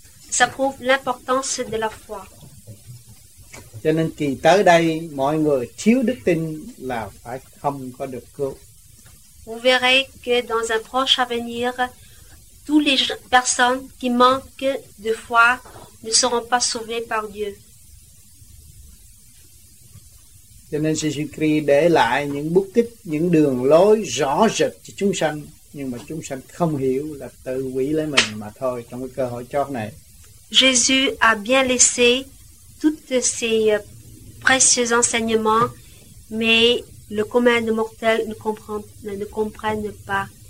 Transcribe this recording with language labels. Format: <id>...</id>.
<fr>Ça prouve l'importance de la foi.</fr> <vi>Cho nên kỳ tới đây mọi người thiếu đức tin là phải không có được cứu.</vi> <fr>Vous verrez que dans un proche avenir, toutes les personnes qui manquent de foi ne seront pas sauvées par Dieu.</fr> <vi>Cho nên Jésus-Christ để lại những bút tích, những đường lối rõ rệt cho chúng sanh, nhưng mà chúng sanh không hiểu là tự hủy lấy mình mà thôi trong cái cơ hội chót này.</vi> <fr>Jésus a bien laissé tous ces précieux enseignements, mais le commun des mortels ne comprennent pas.</fr>